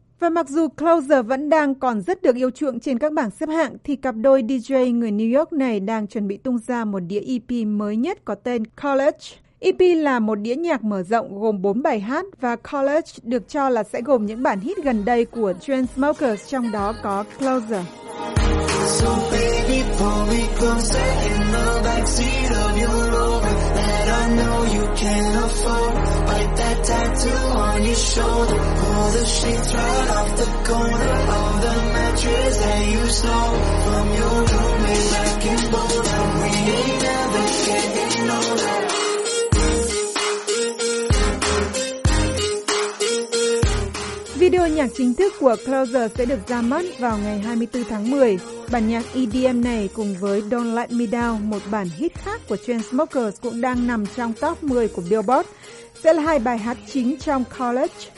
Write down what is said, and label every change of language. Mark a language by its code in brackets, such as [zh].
[vi] Và mặc dù Closer vẫn đang còn rất được yêu chuộng trên các bảng xếp hạng, thì cặp đôi DJ người New York này đang chuẩn bị tung ra một đĩa EP mới nhất có tên College. EP là một đĩa nhạc mở rộng gồm 4 bài hát và College được cho là sẽ gồm những bản hit gần đây của Chainsmokers, trong đó có Closer. [en] So baby, pull me closer in the backseat of your Rover that I know you can't afford. Bite that tattoo on your shoulder. Pull the sheets right off the corner of the mattress that you stole from your roommate back in Boulder. We ain't never getting older. [vi] Video nhạc chính thức của Closer sẽ được ra mắt vào ngày 24 tháng 10. Bản nhạc EDM này cùng với Don't Let Me Down, một bản hit khác của Chainsmokers cũng đang nằm trong top 10 của Billboard, sẽ là hai bài hát chính trong College.